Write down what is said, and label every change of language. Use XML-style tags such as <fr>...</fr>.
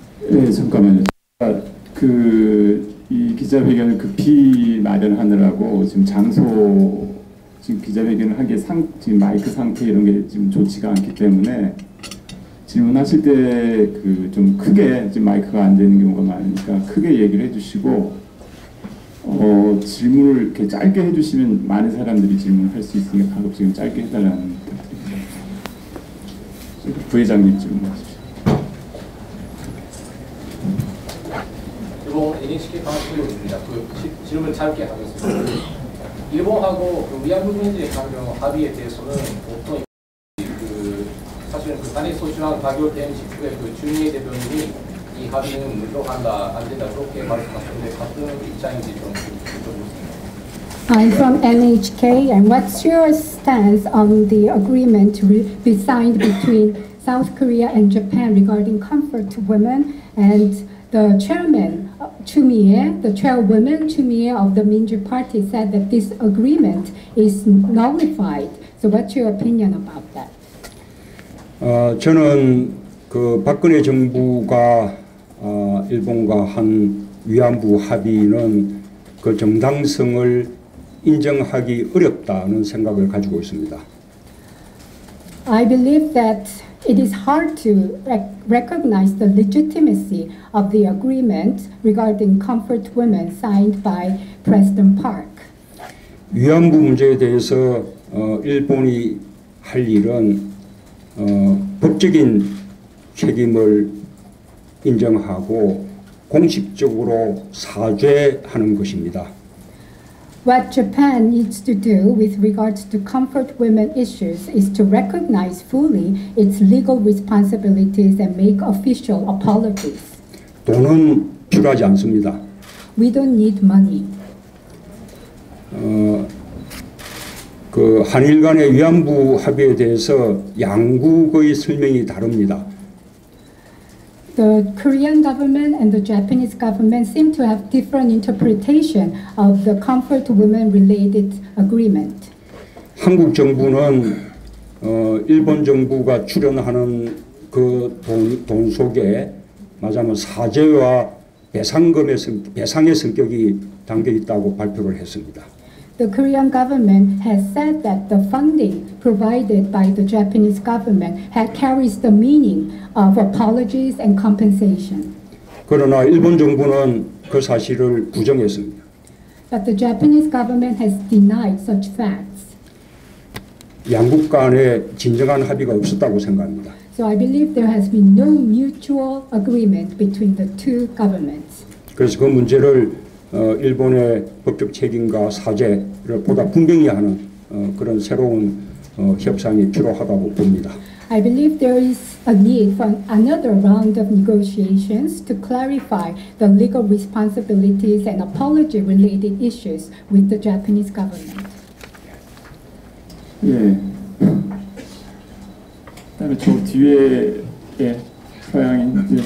<ko>네, 잠깐만요. 그 이 기자회견을 급히 마련하느라고 지금 장소 지금 기자회견을 한 게 지금 마이크 상태 이런 게 지금 좋지가 않기 때문에. 질문하실 때 그 좀 크게, 지금 마이크가 안 되는 경우가 많으니까 크게 얘기를 해주시고, 질문을 이렇게 짧게 해주시면 많은 사람들이 질문을 할 수 있으니까 가급적이면 짧게 해달라는 부탁드립니다. 부회장님 질문하십시오. 여보세요? 일본 NHK 방송국입니다. 그 질문 짧게 하겠습니다. 일본하고 그 위안부 문제에 관련 합의에 대해서는 보통 그 사실은 그 단일 소신한 가결된 직후에 그 주미의 대변인이 이 합의는 무효한다, 안 된다 그렇게 말씀하셨는데 같은 입장인지 좀 여쭤보겠습니다.</ko> <en>I'm from NHK and what's your stance on the agreement to be signed between South Korea and Japan regarding comfort to women and the chairman Chumie, the chairwoman Chumie of the Minju Party said that this agreement is nullified. So what's your opinion about that?</en> <ko>저는 그 박근혜 정부가 일본과 한 위안부 합의는 그 정당성을 인정하기 어렵다는 생각을 가지고 있습니다.</ko> <en>I believe that it is hard to recognize the legitimacy of the agreement regarding comfort women signed by President Park.</en> <ko>위안부 문제에 대해서 일본이 할 일은 법적인 책임을 인정하고 공식적으로 사죄하는 것입니다.</ko> <en>What Japan needs to do with regards to comfort women issues is to recognize fully its legal responsibilities and make official apologies.</en> <ko>돈은 필요하지 않습니다.</ko> <en>We don't need money.</en> <ko>그 한일 간의 위안부 합의에 대해서 양국의 설명이 다릅니다.</ko> <en>The Korean government and the Japanese government seem to have different interpretation of the comfort women related agreement.</en> <ko>한국 정부는 일본 정부가 출연하는 그 돈 속에 말하자면 사죄와 배상의 성격이 담겨 있다고 발표를 했습니다.</ko> <en>The Korean government has said that the funding provided by the Japanese government carries the meaning of apologies and compensation.</en> <ko>그러나 일본 정부는 그 사실을 부정했습니다.</ko> <en>But the Japanese government has denied such facts.</en> <ko>양국 간에 진정한 합의가 없었다고 생각합니다.</ko> <en>So I believe there has been no mutual agreement between the two governments.</en> <ko>그래서 그 문제를 일본의 법적 책임과 사죄를 보다 분명히 하는 그런 새로운 협상이 필요하다고 봅니다.</ko> <en>I believe there is a need for another round of negotiations to clarify the legal responsibilities and apology related issues with the Japanese government.</en> <ko>예. 그다음에 저 뒤에 서양인</ko>